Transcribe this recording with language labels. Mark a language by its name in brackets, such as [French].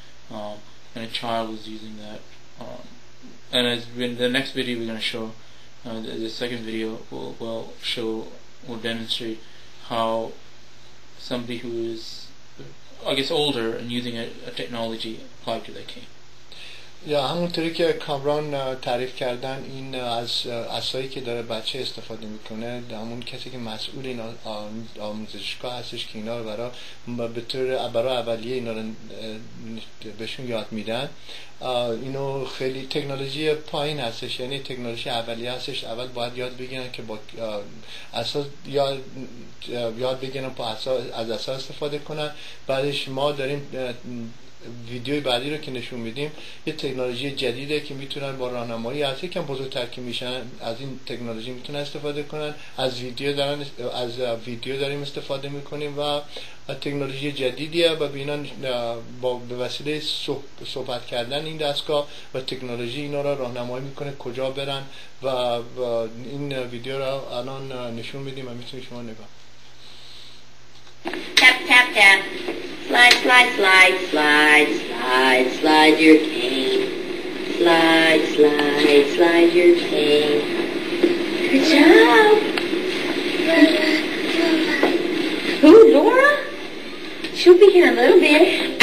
[English] And a child is using that. And as in the next video we're going to show, the second video will demonstrate how somebody who is, I guess, older and using a technology applied to their cane. [Persian] Yeah, همونطوری که کامران تعریف کردن این از عصایی که داره بچه استفاده میکنه همون کسی که مسئول این آموزشگاه هستش که اینا رو برای به طور برای اولیه اینا رو بهشون یاد میدن اینو خیلی تکنولوژی پایین هستش یعنی تکنولوژی اولیه هستش اول باید یاد بگیرن که با عصا یاد بگیرن با از عصا استفاده کنن بعدش ما داریم ویدیوی بعدی رو که نشون میدیم یه تکنولوژی جدیده که میتونن با راهنمایی از یکم بزرگتر که میشن از این تکنولوژی میتونن استفاده کنن از ویدیو داریم استفاده میکنیم و تکنولوژی جدیدیه و به اینا به وسیله صحبت کردن این دستگاه و تکنولوژی اینا رو راهنمایی میکنه کجا برن و این ویدیو رو الان نشون میدیم و میتونی شما نگاه [English] tap tap tap slide slide slide slide slide slide your cane slide slide slide your cane good job who Laura she'll be here in a little bit